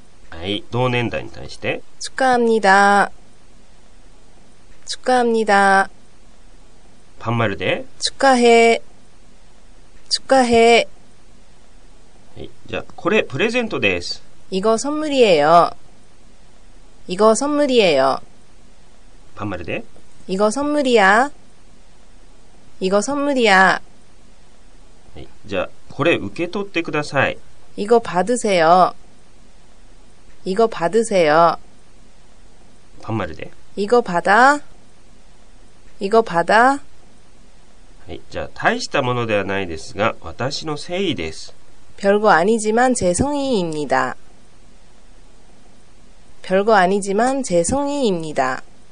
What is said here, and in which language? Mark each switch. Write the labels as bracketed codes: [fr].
[ja] はい、同年代に対して [ko] 축하합니다、축하합니다、 [ja] 반말で [ko] 축하해、축하해、 [ja] はい、じゃあこれプレゼントです、 [ko] 이거선물이에요、이거선물이에요、 [ja] 반말で [ko] 이거선물이야、이거선물이야、 [ja] はい、じゃあこれ受け取ってください、 [ko] 이거받으세요、이거받으세요、 [ja] 반말で [ko] 이거받아、이거받아、 [ja] はい、じゃあ大したものではないですが私の誠意です、 [ko] 별거아니지만제성의입니다、별거아니지만제성의입니다、